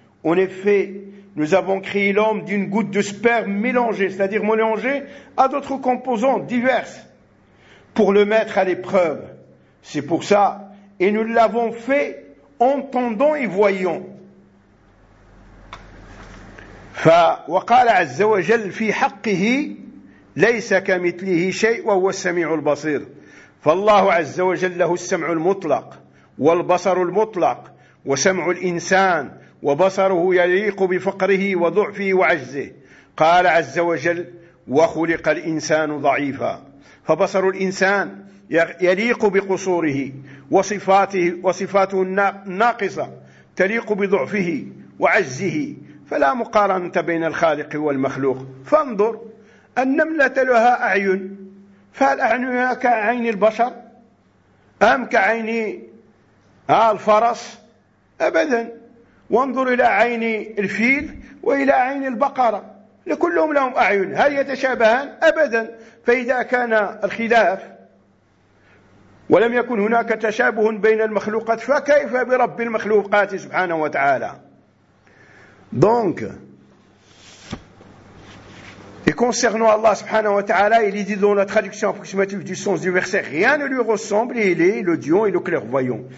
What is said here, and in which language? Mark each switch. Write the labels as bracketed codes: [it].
[fr] En effet, nous avons créé l'homme d'une goutte de sperme mélangée, c'est-à-dire mélangée à d'autres composantes diverses, pour le mettre à l'épreuve. C'est pour ça, et nous l'avons fait entendant et voyant. [ar] وقال عز وجل في حقه: ليس كمثله شيء وهو السميع البصير. فالله عز وجل له السمع المطلق والبصر المطلق وسمع الإنسان وبصره يليق بفقره وضعفه وعجزه. قال عز وجل: وخلق الإنسان ضعيفا. فبصر الإنسان يليق بقصوره وصفاته، وصفاته الناقصة تليق بضعفه وعجزه، فلا مقارنة بين الخالق والمخلوق. فانظر النملة لها أعين، فهل أعينها كعين البشر أم كعين الفرس؟ أبدا. وانظر إلى عين الفيل وإلى عين البقرة، لكلهم لهم أعين، هل يتشابهان؟ أبدا. فإذا كان الخلاف ولم يكن هناك تشابه بين المخلوقات، فكيف برب المخلوقات سبحانه وتعالى؟ دونك [fr] Et concernant Allah [ar] subhanahu wa ta'ala, [fr] il est dit dans la traduction approximative du sens du verset, rien ne lui ressemble et il est le Dieu et le clairvoyant.